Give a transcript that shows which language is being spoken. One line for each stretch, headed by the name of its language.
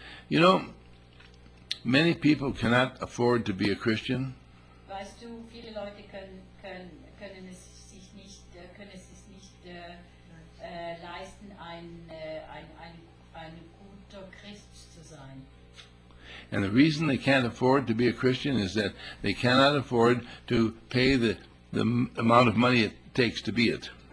English: You know, many people cannot afford to be a Christian.
German: Weißt du, viele Leute können es sich nicht leisten, ein guter Christ zu sein.
English: And the reason they can't afford to be a Christian is that they cannot afford to pay the amount of money it takes to be it.